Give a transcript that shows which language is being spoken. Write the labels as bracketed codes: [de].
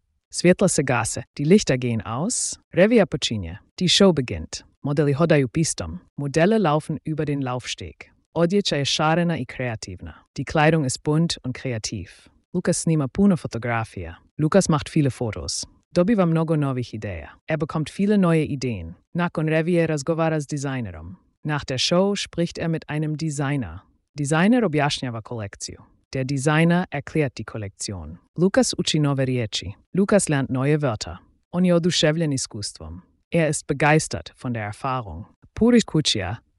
[hr] Svjetla se gase. [de] Die Lichter gehen aus. [hr] Revija počinje. [de] Die Show beginnt. [hr] Modeli hodaju pistom. [de] Modelle laufen über den Laufsteg. [hr] Odjeća je šarena i kreativna. [de] Die Kleidung ist bunt und kreativ. [hr] Lukas snima puno fotografija. [de] Lukas macht viele Fotos. [hr] Dobiva mnogo novih ideja. [de] Bekommt viele neue Ideen. [hr] Nakon revije razgovara s dizajnerom. [de] Nach der Show spricht mit einem Designer. [hr] Designer objašnjava kolekciju. [de] Der Designer erklärt die Kollektion. [hr] Lukas uči nove riječi. [de] Lukas lernt neue Wörter. [hr] On je oduševljen iskustvom. [de] Ist begeistert von der Erfahrung. Puri kućija.